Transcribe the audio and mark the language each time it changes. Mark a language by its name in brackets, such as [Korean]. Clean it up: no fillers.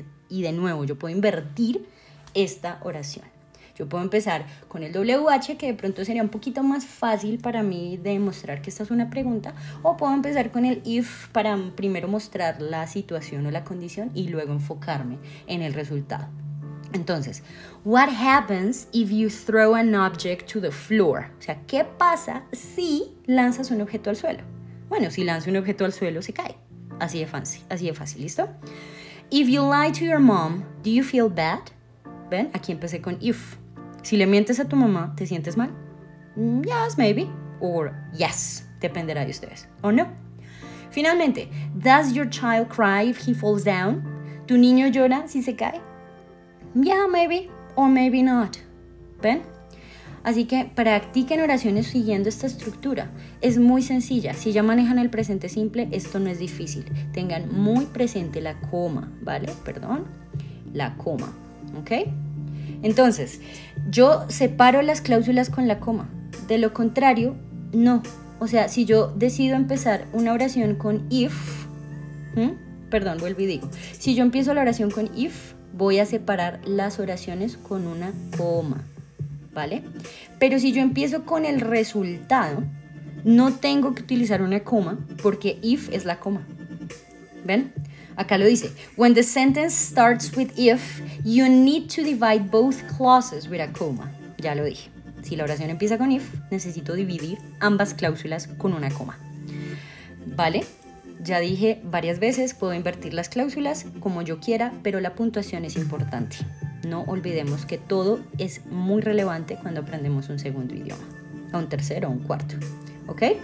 [Spanish] Y de nuevo, yo puedo invertir esta oración. Yo puedo empezar con el WH, que de pronto sería un poquito más fácil para mí demostrar que esta es una pregunta, o puedo empezar con el if para primero mostrar la situación o la condición y luego enfocarme en el resultado. Entonces, [English] what happens if you throw an object to the floor? [Spanish] O sea, ¿qué pasa si lanzas un objeto al suelo? Bueno, si lanzas un objeto al suelo, se cae. Así de fácil, ¿listo? [English] If you lie to your mom, do you feel bad? [Spanish] ¿Ven? Aquí empecé con if. Si le mientes a tu mamá, ¿te sientes mal? [English] Yes, maybe. Or yes, [Spanish] dependerá de ustedes. O no. [English] Finalmente, does your child cry if he falls down? [Spanish] ¿Tu niño llora si se cae? [English] Yeah, maybe, or maybe not. [Spanish] ¿Ven? Así que practiquen oraciones siguiendo esta estructura. Es muy sencilla. Si ya manejan el presente simple, esto no es difícil. Tengan muy presente la coma, ¿vale? Perdón, la coma, ¿ok? Entonces, yo separo las cláusulas con la coma. De lo contrario, no. O sea, si yo decido empezar una oración con if, perdón, vuelvo y digo. Si yo empiezo la oración con if, voy a separar las oraciones con una coma, ¿vale? Pero si yo empiezo con el resultado, no tengo que utilizar una coma porque if es la coma. ¿Ven? Acá lo dice. [English] When the sentence starts with if, you need to divide both clauses with a coma. [Spanish] Ya lo dije. Si la oración empieza con if, necesito dividir ambas cláusulas con una coma. ¿Vale? Ya dije varias veces, puedo invertir las cláusulas como yo quiera, pero la puntuación es importante. No olvidemos que todo es muy relevante cuando aprendemos un segundo idioma, o un tercero, o un cuarto. ¿Ok?